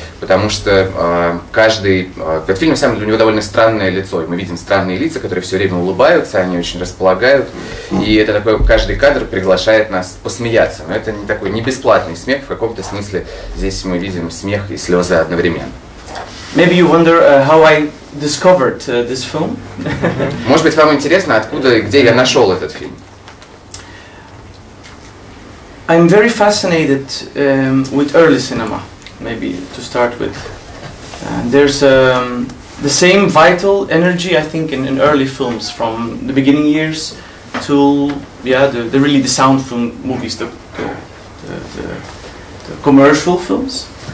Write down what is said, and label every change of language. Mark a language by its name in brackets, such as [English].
[Russian] Потому что этот фильм, на самом деле, у него довольно странное лицо. И мы видим странные лица, которые все время улыбаются, они очень располагают. И это такой, каждый кадр приглашает нас посмеяться. Но это не такой, не бесплатный смех, в каком-то смысле здесь мы видим смех и слезы одновременно. [English] Maybe you wonder how I discovered this film. [Russian] Может быть, вам интересно, откуда и где я нашел этот фильм? [English] I'm very fascinated with early cinema, maybe to start with. There's the same vital energy, I think, in early films from the beginning years to the sound film movies, the commercial films.